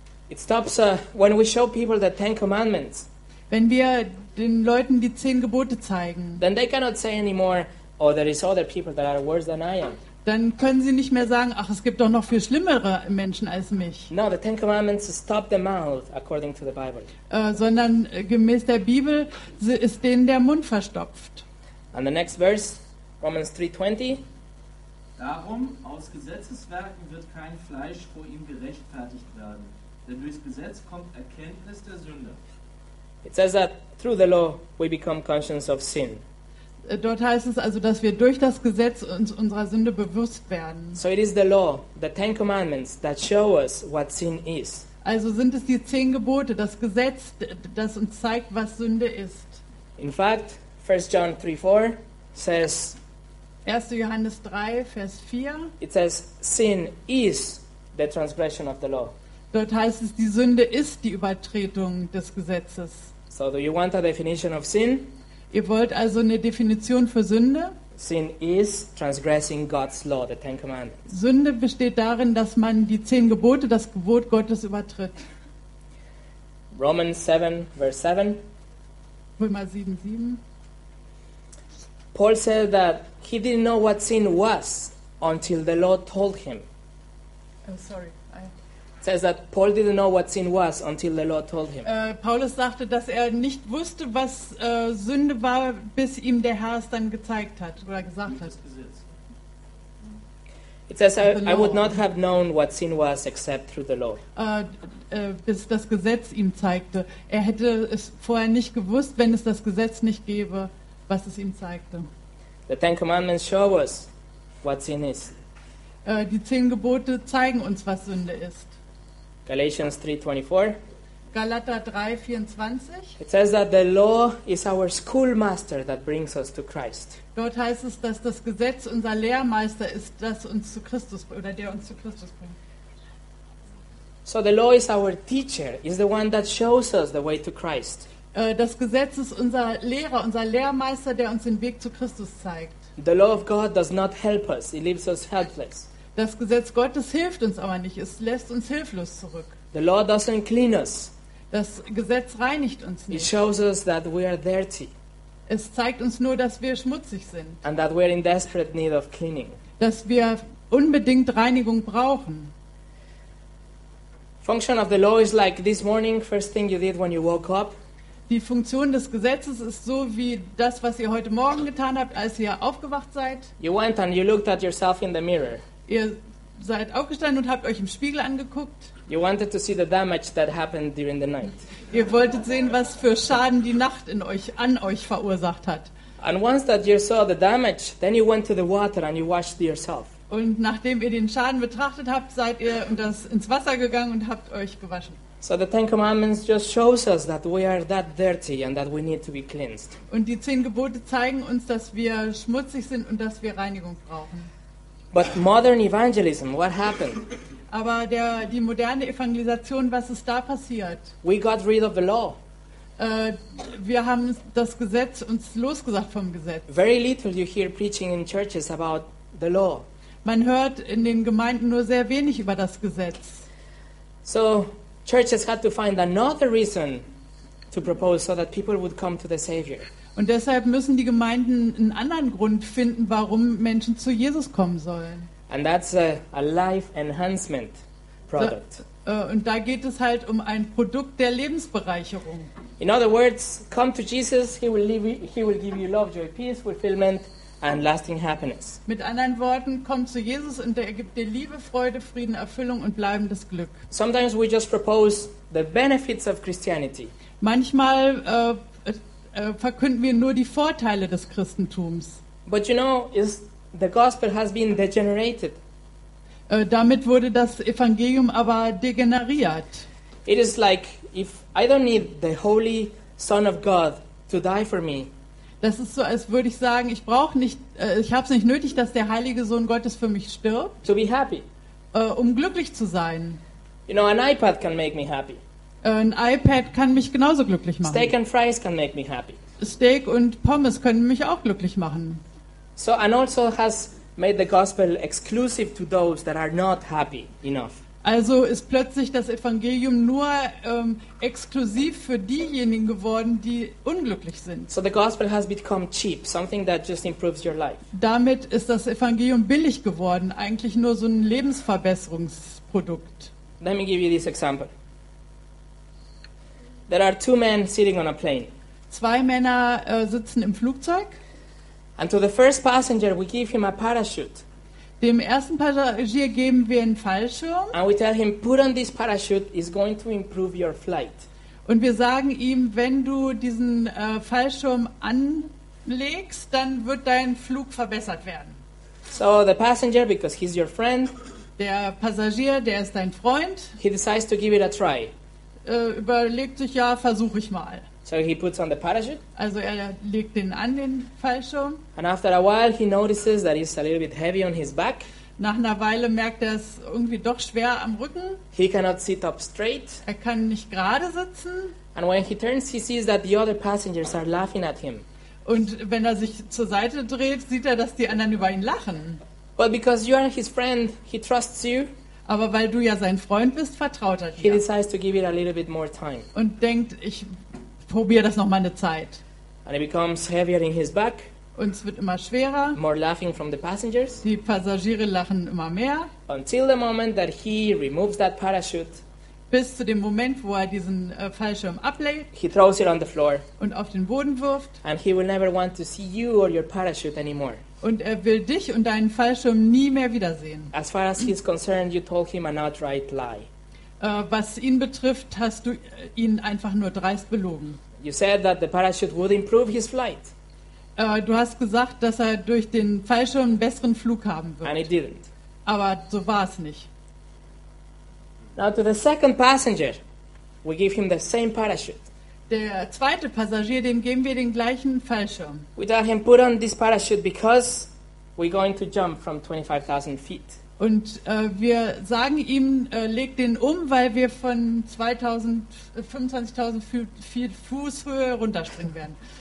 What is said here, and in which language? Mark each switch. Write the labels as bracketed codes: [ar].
[en] It stops when we show people the Ten Commandments. [de] Wenn wir den Leuten die 10 Gebote zeigen. [en] Then they cannot say anymore, oh, there is other people that are worse than I am. [de] Dann können sie nicht mehr sagen, ach, es gibt doch noch viel schlimmere Menschen als mich. [en] No, the Ten Commandments stop the mouth according to the Bible. [de] Sondern gemäß der Bibel ist denen der Mund verstopft. [en] And the next verse, Romans 3:20. [de] Darum, aus Gesetzeswerken wird kein Fleisch vor ihm gerechtfertigt werden. Denn durchs Gesetz kommt Erkenntnis der Sünde. [en] It says that through the law we become conscious of sin. [de] Dort heißt es also, dass wir durch das Gesetz uns unserer Sünde bewusst werden. [en] So it is the law, the Ten Commandments, that show us what sin is. [de] Also sind es die 10 Gebote, das Gesetz, das uns zeigt, was Sünde ist. [en] In fact, 1 John 3:4 says [de] 1. Johannes 3, Vers 4 [en] It says, sin is the transgression of the law. [de] Dort heißt es, die Sünde ist die Übertretung des Gesetzes. [en] So do you want a definition of sin? [de] Ihr wollt also eine Definition für Sünde? [en] Sin is transgressing God's law, the Ten Commandments. [de] Sünde besteht darin, dass man die 10 Gebote, das Gebot Gottes, übertritt. [en] Romans 7, verse 7. [de] Römer 7, 7. [en] Paul said that he didn't know what sin was until the law told him. Oh, sorry. Says that Paul didn't know what sin was until the law told him. [de] Paulus sagte, dass er nicht wusste, was Sünde war, bis ihm der Herr es dann gezeigt hat oder gesagt hat. [en] It says I would not have known what sin was except through the law. [de] Bis das Gesetz ihm zeigte, er hätte es vorher nicht gewusst, wenn es das Gesetz nicht gäbe, was es ihm zeigte. [en] The Ten Commandments show us what sin is. [de] Die 10 Gebote zeigen uns, was Sünde ist. [en] Galatians 3:24. [de] Galater 3:24. [en] It says that the law is our schoolmaster that brings us to Christ. [de] Dort heißt es, dass das Gesetz unser Lehrmeister ist, das uns zu Christus oder der uns zu Christus bringt. [en] So the law is our teacher, is the one that shows us the way to Christ. [de] Das Gesetz ist unser Lehrer, unser Lehrmeister, der uns den Weg zu Christus zeigt. [en] The law of God does not help us; it leaves us helpless. [de] Das Gesetz Gottes hilft uns aber nicht. Es lässt uns hilflos zurück. [en] The law doesn't clean us. [de] Das Gesetz reinigt uns nicht. [en] It shows us that we are dirty. [de] Es zeigt uns nur, dass wir schmutzig sind. [en] And that we are in desperate need of cleaning. [de] Dass wir unbedingt Reinigung brauchen. [en] Function of the law is like this morning, first thing you did when you woke up. [de] Die Funktion des Gesetzes ist so wie das, was ihr heute Morgen getan habt, als ihr aufgewacht seid. [en] You went and you looked at yourself in the mirror. [de] Ihr seid aufgestanden und habt euch im Spiegel angeguckt. [en] You wanted to see the damage that happened during the night. [de] Ihr wolltet sehen, was für Schaden die Nacht in euch, an euch verursacht hat. [en] And once that you saw the damage, then you went to the water and you washed yourself. [de] Und nachdem ihr den Schaden betrachtet habt, seid ihr ins Wasser gegangen und habt euch gewaschen. [en] So the Ten Commandments just shows us that we are that dirty and that we need to be cleansed. [de] Und die 10 Gebote zeigen uns, dass wir schmutzig sind und dass wir Reinigung brauchen. [en] But modern evangelism, what happened? [de] Aber die moderne Evangelisation, was ist da passiert? [en] We got rid of the law. [de] Wir haben das Gesetz uns losgesagt vom Gesetz. [en] Very little you hear preaching in churches about the law. [de] Man hört in den Gemeinden nur sehr wenig über das Gesetz. [en] So churches had to find another reason to propose so that people would come to the Savior. [de] Und deshalb müssen die Gemeinden einen anderen Grund finden, warum Menschen zu Jesus kommen sollen. [en] And that's a life enhancement product. [de] Und da geht es halt um ein Produkt der Lebensbereicherung. [en] In other words, come to Jesus, he will give you love, joy, peace, fulfillment and lasting happiness. [de] Mit anderen Worten, komm zu Jesus und er gibt dir Liebe, Freude, Frieden, Erfüllung und bleibendes Glück. [en] Sometimes we just propose the benefits of Christianity. [de] Manchmal verkünden wir nur die Vorteile des Christentums. [en] But you know, the gospel has been degenerated. [de] Damit wurde das Evangelium aber degeneriert. [en] It is like if I don't need the Holy Son of God to die for me. [de] Das ist so, als würde ich sagen, ich brauche nicht, ich habe es nicht nötig, dass der Heilige Sohn Gottes für mich stirbt. [en] To be happy. [de] Um glücklich zu sein. [en] You know, an iPad can make me happy. [de] Ein iPad kann mich genauso glücklich machen. [en] Steak and fries can make me happy. [de] Steak und Pommes können mich auch glücklich machen. [en] So and also has made the gospel exclusive to those that are not happy enough. [de] Also ist plötzlich das Evangelium nur exklusiv für diejenigen geworden, die unglücklich sind. [en] So the gospel has become cheap, something that just improves your life. [de] Damit ist das Evangelium billig geworden, eigentlich nur so ein Lebensverbesserungsprodukt. [en] Let me give you this example. There are two men sitting on a plane. [de] Zwei Männer sitzen im Flugzeug. [en] And to the first passenger we give him a parachute. [de] Dem ersten Passagier geben wir einen Fallschirm. [en] And we tell him, put on this parachute, it's going to improve your flight. [de] Und wir sagen ihm, wenn du diesen Fallschirm anlegst, dann wird dein Flug verbessert werden. [en] So the passenger, because he's your friend, [de] der Passagier, der ist dein Freund, [en] he decides to give it a try. [de] Überlegt sich, ja, versuche ich mal. [en] So he puts on the parachute. [de] Also er legt den an, den Fallschirm. [en] And after a while he notices that it's a little bit heavy on his back. [de] Nach einer Weile merkt er, es irgendwie doch schwer am Rücken. [en] He cannot sit up straight. [de] Er kann nicht gerade sitzen. [en] And when he turns, he sees that the other passengers are laughing at him. [de] Und wenn er sich zur Seite dreht, sieht er, dass die anderen über ihn lachen. [en] But because you are his friend, he trusts you. [de] Aber weil du ja sein Freund bist, vertraut er dir. [en] He decides to give it a little bit more time. [de] Und denkt, ich probiere das noch mal eine Zeit. [en] And it becomes heavier in his back. [de] Und es wird immer schwerer. [en] More laughing from the passengers. [de] Die Passagiere lachen immer mehr. [en] Until the moment that he removes that parachute. [de] Bis zu dem Moment, wo er diesen Fallschirm ablegt. [en] He throws it on the floor. [de] Und auf den Boden wirft. [en] And he will never want to see you or your parachute anymore. [de] Und er will dich und deinen Fallschirm nie mehr wiedersehen. [en] As far as he's concerned, you told him an outright lie. [de] Was ihn betrifft, hast du ihn einfach nur dreist belogen. [en] You said that the parachute would improve his flight. [de] Du hast gesagt, dass er durch den Fallschirm einen besseren Flug haben wird. [en] And it didn't. [de] Aber so war es nicht. [en] Now to the second passenger, we give him the same parachute. [de] Der zweite Passagier, dem geben wir den gleichen Fallschirm. [en] We tell him, put on this parachute because we're going to jump from 25,000 feet. [de] Und wir sagen ihm, leg den um, weil wir von 25,000 Fußhöhe runterspringen werden.